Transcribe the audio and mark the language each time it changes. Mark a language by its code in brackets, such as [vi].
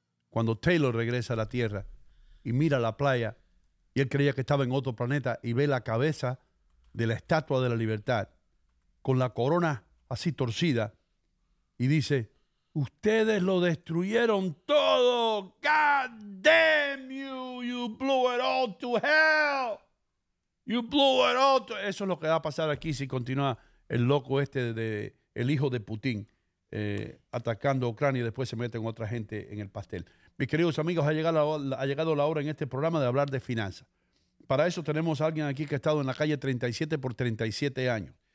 [es] Cuando Taylor regresa a la Tierra y mira la playa y él creía que estaba en otro planeta y ve la cabeza de la Estatua de la Libertad con la corona así torcida, y dice, ustedes lo destruyeron todo. [en] God damn you, you blew it all to hell. You blew it all to hell. [es] Eso es lo que va a pasar aquí si continúa el loco este, de el hijo de Putin, atacando a Ucrania y después se mete con otra gente en el pastel. Mis queridos amigos, ha llegado la hora en este programa de hablar de finanzas. Para eso tenemos a alguien aquí que ha estado en la calle 37 por 37 años.